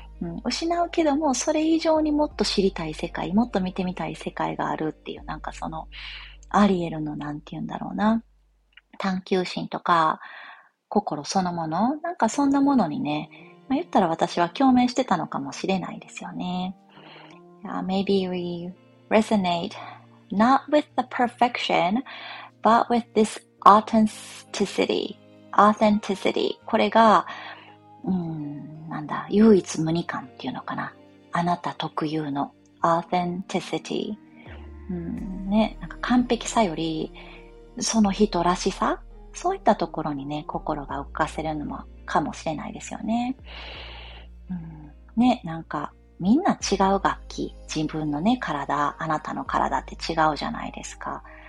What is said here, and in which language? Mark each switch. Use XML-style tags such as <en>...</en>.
<ja>うん、失うけども、それ以上にもっと知りたい世界、もっと見てみたい世界があるっていう、なんかその、アリエルのなんて言うんだろうな。探求心とか心そのもの、なんかそんなものにね、まあ、言ったら私は共鳴してたのかもしれないですよね。</ja> <en>Maybe we resonate not with the perfection but with this authenticity. Authenticity.</en> <ja>これが、うん、なんだ、唯一無二感っていうのかな、あなた特有の authenticity、うん、ね、なんか完璧さよりその人らしさ、そういったところにね、心が浮かせるのもかもしれないですよね、うん、ね、なんかみんな違う楽器、自分のね体、あなたの体って違うじゃないですか。</ja>